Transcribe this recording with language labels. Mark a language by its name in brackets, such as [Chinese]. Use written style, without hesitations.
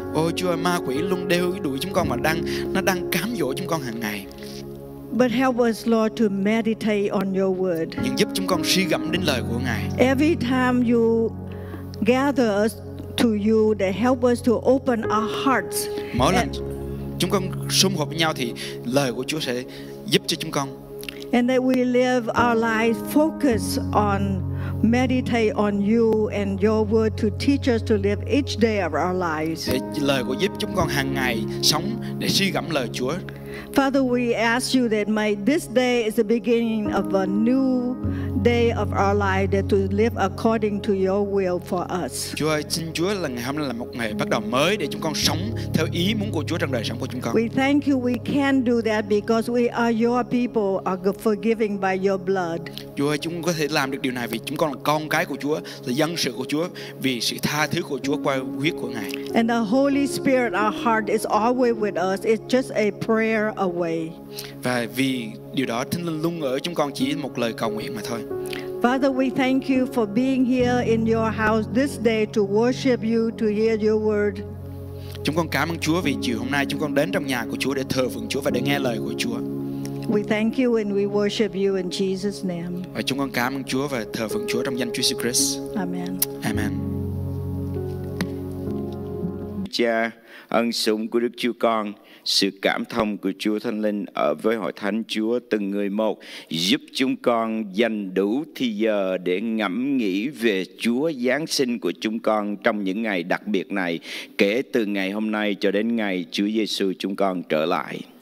[Vietnamese] Ôi Chúa, ma quỷ luôn đeo đuổi chúng con mà nó đang cám dỗ chúng con hàng ngày. [English] But help us, Lord, to meditate on your word. [Vietnamese] Nhưng giúp chúng con suy gẫm đến lời của Ngài. [English] Every time you gather us to you, that help us to open our hearts. [Vietnamese] Mỗi lần chúng con sum họp với nhau thì lời của Chúa sẽ giúp cho chúng con. [English] And that we live our lives focused on meditate on you and your word to teach us to live each day of our lives. [Vietnamese] Để lời của giúp chúng con hàng ngày sống để suy gẫm lời Chúa. [English] Father, we ask you that may this day is the beginning of a new day of our life, that to live according to your will for us. [Vietnamese] Chúa ơi, xin Chúa là ngày hôm nay là một ngày bắt đầu mới để chúng con sống theo ý muốn của Chúa trong đời sống của chúng con. [English] We thank you we can do that because we are your people, are forgiving by your blood. [Vietnamese] Chúa ơi, chúng con có thể làm được điều này vì chúng con là con cái của Chúa, là dân sự của Chúa, vì sự tha thứ của Chúa qua huyết của Ngài. [English] And the Holy Spirit, our heart is always with us. It's just a prayer away. [Vietnamese] Và vì điều đó Thánh Linh luôn ở chúng con chỉ một lời cầu nguyện mà thôi. [English] Father, we thank you for being here in your house this day to worship you, to hear your word. [Vietnamese] Chúng con cảm ơn Chúa vì chiều hôm nay chúng con đến trong nhà của Chúa để thờ phượng Chúa và để nghe lời của Chúa. [English] We thank you and we worship you in Jesus' name. [Vietnamese] Và chúng con cảm ơn Chúa và thờ phượng Chúa trong danh Chúa Jesus Christ. [English] Amen. Amen. [Vietnamese] Cha, ân sủng của Đức Chúa Con, sự cảm thông của Chúa Thánh Linh ở với Hội Thánh Chúa từng người một, giúp chúng con dành đủ thời giờ để ngẫm nghĩ về Chúa Giáng sinh của chúng con trong những ngày đặc biệt này, kể từ ngày hôm nay cho đến ngày Chúa Giêsu chúng con trở lại.